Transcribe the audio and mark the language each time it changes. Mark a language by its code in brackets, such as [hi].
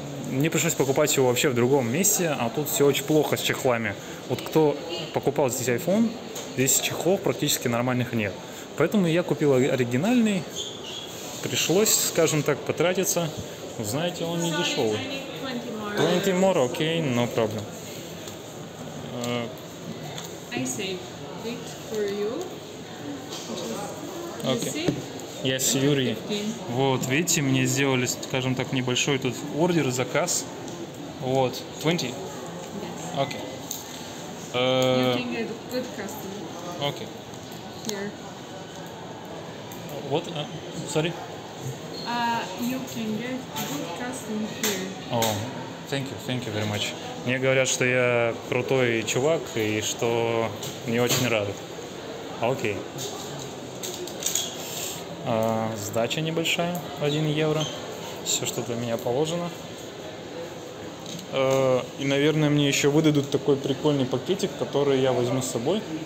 [ru] Мне пришлось покупать его вообще в другом месте, а тут все очень плохо с чехлами. Вот кто покупал здесь iPhone, здесь чехлов практически нормальных нет. Поэтому я купил оригинальный, пришлось, скажем так, потратиться. Знаете, он не дешевый. [en] 20 more, [ru] окей, [en] no problem. I saved it for you. Okay. You see? [ru] Я с Юрией. Вот, видите, мне сделали, скажем так, небольшой тут ордер, заказ. Вот, 20? [en] Yes. Okay. You can get a good customer. Okay. Here. What? Sorry? You can get good customer here. Oh. Thank you very much. [ru] Мне говорят, что я крутой чувак и что мне очень рады. Окей. Сдача небольшая, 1 евро. Все, что для меня положено. И, наверное, мне еще выдадут такой прикольный пакетик, который я возьму с собой.